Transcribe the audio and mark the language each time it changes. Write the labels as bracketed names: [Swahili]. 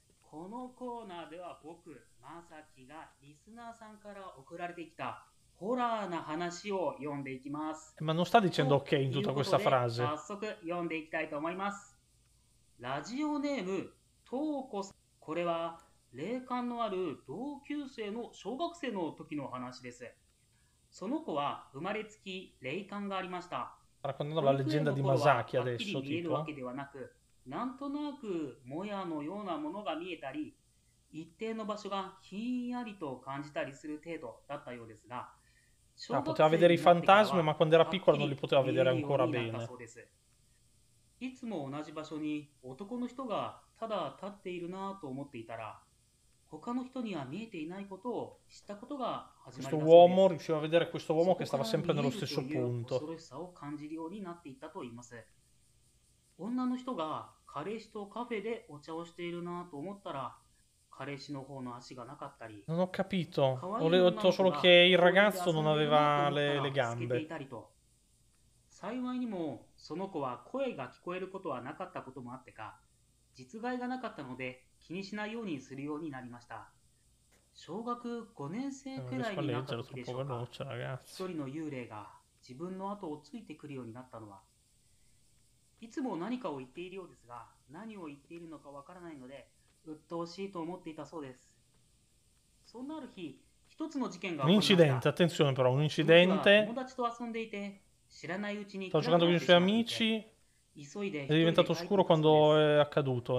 [Japanese] このコーナーでは僕、まさきがリスナーさんから送られてきたホラーな話を読んでいきます。 [Italian] ma non sta dicendo ok in tutta questa frase. [Japanese] 早速読んでいきたいと思います。ラジオネーム、とうこさん。これは霊感のある同級生の小学生の時の話です。その子は生まれつき霊感がありました。 [Italian] raccontando la leggenda di Masaki adesso, tipo. [Japanese] 見えるわけではなく、なんとなくもやのようなものが見えたり、一定の場所がひんやりと感じたりする程度だったようですが、 [Italian] ah, poteva vedere i fantasmi, ma quando era piccola non li poteva vedere ancora bene. [Japanese] いつも同じ場所に男の人がただ立っているなと思っていたら、他の人には見えていないことを知ったことが始まりだそうです。 [Italian] questo uomo riusciva a vedere questo uomo che stava sempre nello stesso punto. [Japanese] 恐ろしさを感じるようになっていたと言います。女の人が彼氏とカフェでお茶をしているなと思ったら、彼氏の方の足がなかったり、 [Italian] non ho capito. ho detto solo che il ragazzo non aveva le gambe. [Japanese] 幸いにもその子は声が聞こえることはなかったこともあってか、実害がなかったので気にしないようにするようになりました。小学5年生くらいになった時でしょうか、一人の幽霊が自分の後をついてくるようになったのは、いつも何かを言っているようですが、何を言っているのかわからないので鬱陶しいと思っていたそうです。そんなある日、一つの事件が起こりました。 [Italian] un incidente, attenzione però, un incidente. [Japanese] 友達と遊んでいて、 [Italian] stavo giocando con i suoi amici ed è diventato scuro quando è accaduto.